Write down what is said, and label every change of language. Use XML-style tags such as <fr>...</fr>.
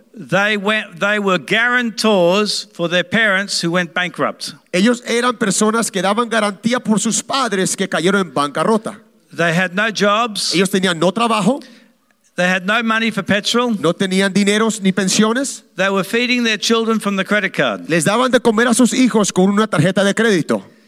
<en>They were guarantors for their parents who went bankrupt.</en> <es>Ellos eran personas que daban garantía por sus padres que cayeron en bancarrota.</es> <en>They had no jobs.</en> <es>Ellos tenían no trabajo.</es> <en>They had no money for petrol.</en> <es>No tenían dineros ni pensiones.</es> <en>They were feeding their children from the credit card.</en> <es>Les daban de comer a sus hijos con una tarjeta de crédito.</es>